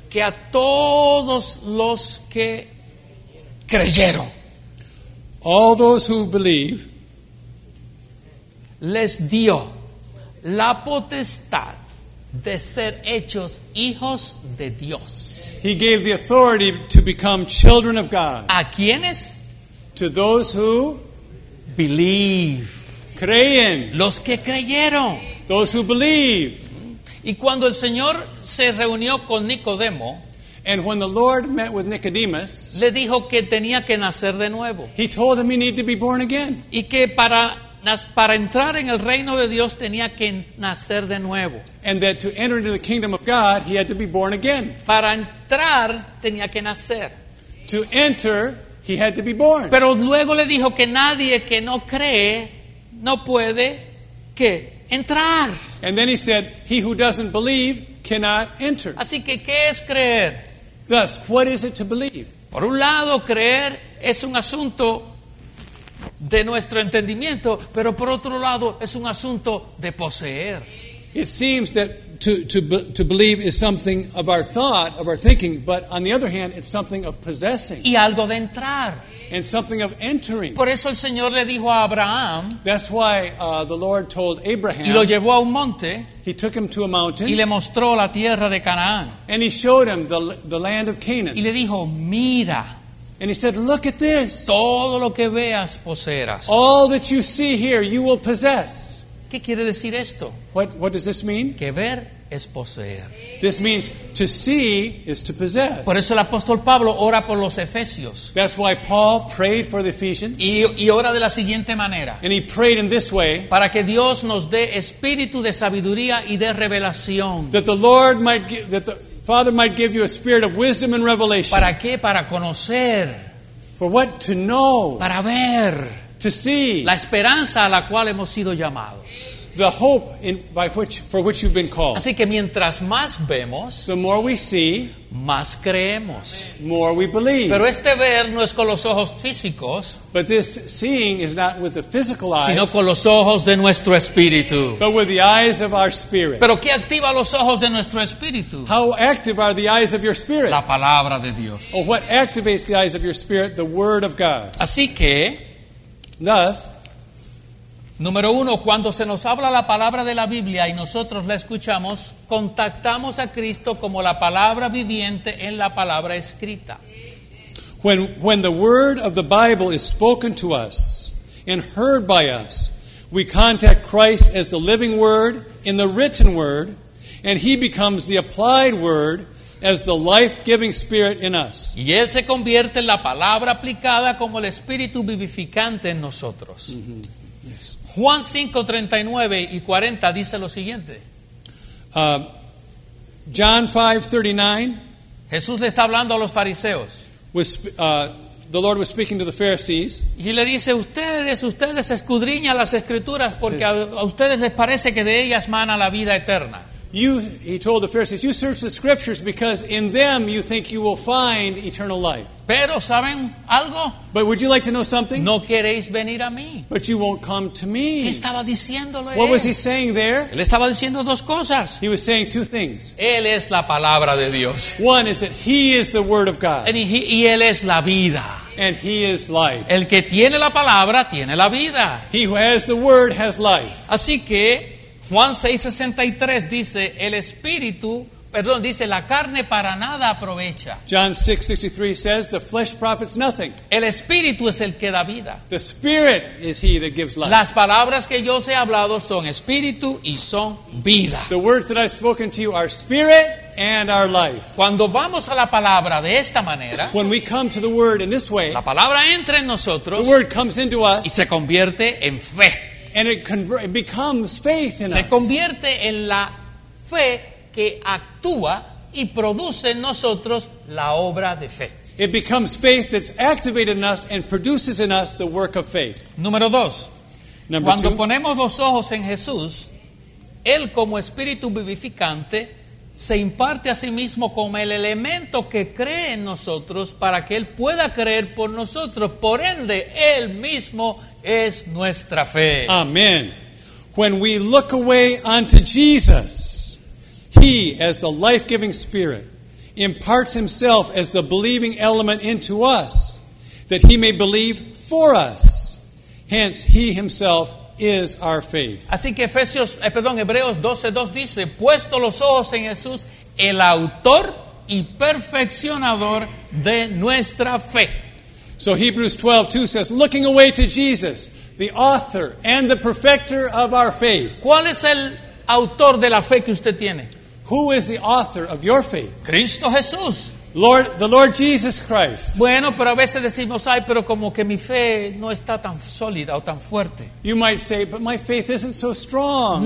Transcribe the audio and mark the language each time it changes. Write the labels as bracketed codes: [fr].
[es] que a todos los que creyeron. [en] All those who believe. [es] Les dio la potestad de ser hechos hijos de Dios. [en] He gave the authority to become children of God. [es] ¿A quiénes? [en] To those who believe. [es] Creen. Los que creyeron. [en] Those who believed. [es] Y cuando el Señor se reunió con Nicodemo. [en] And when the Lord met with Nicodemus, [es] le dijo que tenía que nacer de nuevo. [en] He told him he needed to be born again. [es] Y que para entrar en el reino de Dios tenía que nacer de nuevo. [en] And that to enter into the kingdom of God, he had to be born again. [es] Para entrar tenía que nacer. [en] To enter, he had to be born. [es] Pero luego le dijo que nadie que no cree no puede que entrar. [en] And then he said, he who doesn't believe cannot enter. [es] Así que ¿qué es creer? [en] Thus, what is it to believe? [es] Por un lado, creer es un asunto de nuestro entendimiento, pero por otro lado es un asunto de poseer. [en] It seems that to believe is something of our thought, of our thinking, but on the other hand, it's something of possessing. [es] Y algo de entrar. [en] And something of entering. [es] Por eso el Señor le dijo a Abraham, [en] that's why the Lord told Abraham. [es] Y lo llevó a un monte, [en] he took him to a mountain. [es] Y le mostró la tierra de Canaán. [en] And he showed him the land of Canaan. [es] Y le dijo, mira. [en] And he said, look at this. [es] Todo lo que veas, poseerás. [en] All that you see here, you will possess. [es] ¿Qué quiere decir esto? [en] What does this mean? [es] Que ver es poseer. [en] This means to see is to possess. [es] Por eso el apóstol Pablo ora por los Efesios. [en] That's why Paul prayed for the Ephesians. [es] Y ora de la siguiente manera. [en] And he prayed in this way. [es] Para que Dios nos dé espíritu de sabiduría y de revelación. [en] That the Father might give you a spirit of wisdom and revelation. [es] ¿Para qué? Para conocer. [en] For what? To know. [es] Para ver. [en] To see. [es] La esperanza a la cual hemos sido llamados. [en] The hope for which you've been called. [es] Así que mientras más vemos, [en] the more we see, [es] más creemos. [en] More we believe. [es] Pero este ver no es con los ojos físicos, [en] but this seeing is not with the physical eyes, [es] sino con los ojos de nuestro espíritu. [en] But with the eyes of our spirit. [es] Pero ¿qué activa los ojos de nuestro espíritu? [en] How active are the eyes of your spirit? [es] La palabra de Dios. [en] Or what activates the eyes of your spirit? The word of God. [es] Así que, [en] thus, [es] número uno, cuando se nos habla la palabra de la Biblia y nosotros la escuchamos, contactamos a Cristo como la palabra viviente en la palabra escrita. [en] When the word of the Bible is spoken to us and heard by us, we contact Christ as the living word in the written word, and he becomes the applied word as the life-giving spirit in us. [es] Y él se convierte en la palabra aplicada como el espíritu vivificante en nosotros. Mm-hmm. Juan 5:39 y 40 dice lo siguiente. [en] John 5:39. [es] Jesús le está hablando a los fariseos. [en] The Lord was speaking to the Pharisees. [es] Y le dice, ustedes escudriñan las escrituras porque a ustedes les parece que de ellas mana la vida eterna. [en] He told the Pharisees, you search the scriptures because in them you think you will find eternal life. [es] Pero, ¿saben algo? [en] But would you like to know something? [es] No queréis venir a mí. [en] But you won't come to me. [es] ¿Qué estaba diciéndolo [en] What [es] él? [en] Was he saying there? [es] Él estaba diciendo dos cosas. [en] He was saying two things. [es] Él es la palabra de Dios. [en] One is that he is the word of God. [es] Y él es la vida. [en] And he is life. [es] El que tiene la palabra tiene la vida. [en] He who has the word has life. [es] Así que Juan 6:63 dice, la carne para nada aprovecha. [en] John 6:63 says, the flesh profits nothing. [es] El espíritu es el que da vida. [en] The spirit is he that gives life. [es] Las palabras que yo os he hablado son espíritu y son vida. [en] The words that I've spoken to you are spirit and our life. [es] Cuando vamos a la palabra de esta manera, [en] when we come to the word in this way, [es] la palabra entra en nosotros, [en] the word comes into us, [es] y se convierte en fe. [en] And it becomes faith in [es] se [en] us. [es] Se convierte en la fe que actúa y produce en nosotros la obra de fe. [en] It becomes faith that's activated in us and produces in us the work of faith. [es] Número dos. [en] Number [es] cuando [en] two. [es] Cuando ponemos los ojos en Jesús, Él como espíritu vivificante se imparte a sí mismo como el elemento que cree en nosotros para que Él pueda creer por nosotros. Por ende, Él mismo es nuestra fe. [en] Amen. When we look away unto Jesus, He, as the life-giving Spirit, imparts Himself as the believing element into us, that He may believe for us. Hence, He Himself is our faith. [es] Así que Hebreos 12:2 dice, puesto los ojos en Jesús, el autor y perfeccionador de nuestra fe. [en] So Hebrews 12:2 says, looking away to Jesus, the author and the perfecter of our faith. [es] ¿Cuál es el autor de la fe que usted tiene? [en] Who is the author of your faith? [es] Cristo Jesús. [en] The Lord Jesus Christ. [es] Bueno, pero a veces decimos, ay, pero como que mi fe no está tan sólida o tan fuerte. [en] You might say, but my faith isn't so strong.